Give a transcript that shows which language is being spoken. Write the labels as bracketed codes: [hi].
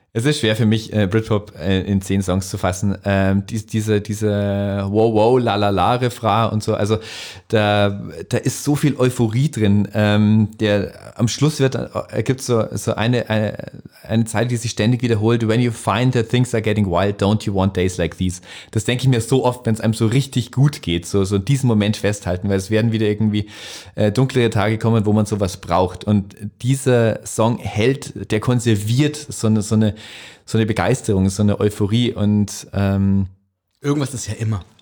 [de] Es ist schwer für mich, Britpop in 10 Songs zu fassen. Diese wow, wow, la, la, la, Refrain und so. Also da ist so viel Euphorie drin. Am Schluss gibt es so eine Zeile, die sich ständig wiederholt. [en] When you find that things are getting wild, don't you want days like these? [de] Das denke ich mir so oft, wenn es einem so richtig gut geht, so diesen Moment festhalten, weil es werden wieder irgendwie dunklere Tage kommen, wo man sowas braucht. Und dieser Song hält, der konserviert so eine Begeisterung, so eine Euphorie und irgendwas ist ja immer.